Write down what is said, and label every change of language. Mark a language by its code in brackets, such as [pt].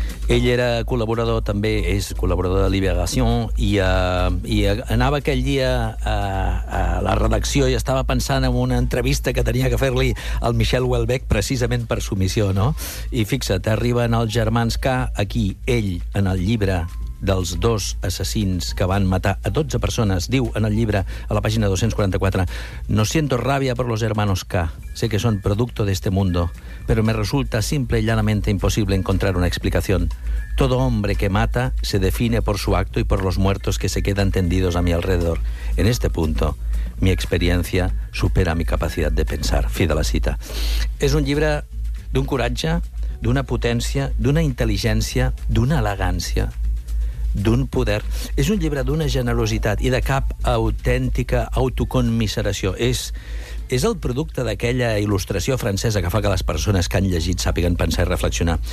[ca] Ell era col·laborador, també és col·laborador de Libération, i anava aquell dia a la redacció i estava pensant en una entrevista que tenia que fer-li al Michel Houellebecq, precisament per submissió, no? I fixa't, arriben els germans K, aquí, ell, en el llibre dels dos assassins que van matar a 12 persones, diu en el llibre, a la pàgina 244, [es] «No siento rabia por los hermanos K. Sé que son producto de este mundo, pero me resulta simple y llanamente imposible encontrar una explicación. Todo hombre que mata se define por su acto y por los muertos que se quedan tendidos a mi alrededor. En este punto, mi experiencia supera mi capacidad de pensar». [ca] Fi de la cita. És un llibre d'un coratge, d'una potència, d'una intel·ligència, d'una elegància, d'un poder. És un llibre d'una generositat i de cap autèntica autocommiseració. És el producte d'aquella il·lustració francesa que fa que les persones que han llegit sàpiguen pensar i reflexionar.